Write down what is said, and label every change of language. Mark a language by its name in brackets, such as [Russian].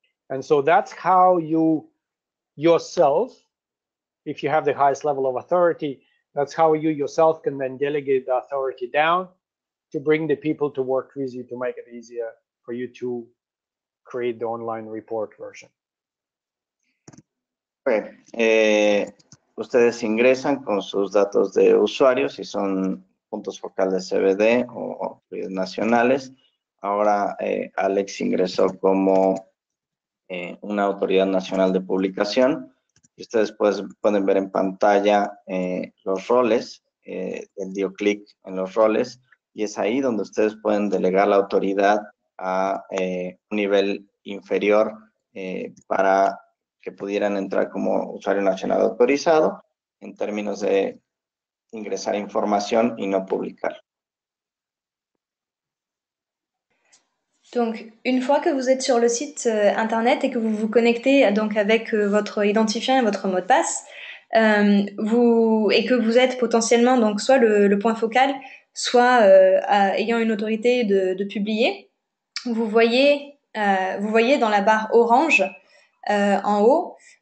[English] And so that's how you yourself, if you have the highest level of authority, that's how you yourself can then delegate the authority down to bring the people to work with you to make it easier for you to create the online report version. Okay. [Spanish] Ustedes ingresan con sus datos de usuario, si son puntos focales CBD o nacionales. Ahora Alex ingresó como una autoridad nacional de publicación. Y ustedes pueden ver en pantalla los roles. Él dio clic en los roles y es ahí donde ustedes pueden delegar la autoridad a un nivel inferior para que pudieran entrar como usuario nacional autorizado en términos de ingresar información y no publicar. [French] Donc, une fois que vous êtes sur le site internet et que vous vous connectez donc avec votre identifiant et votre mot de passe, et que vous êtes potentiellement donc soit le point focal, soit ayant une autorité de publier, vous voyez dans la barre orange en haut.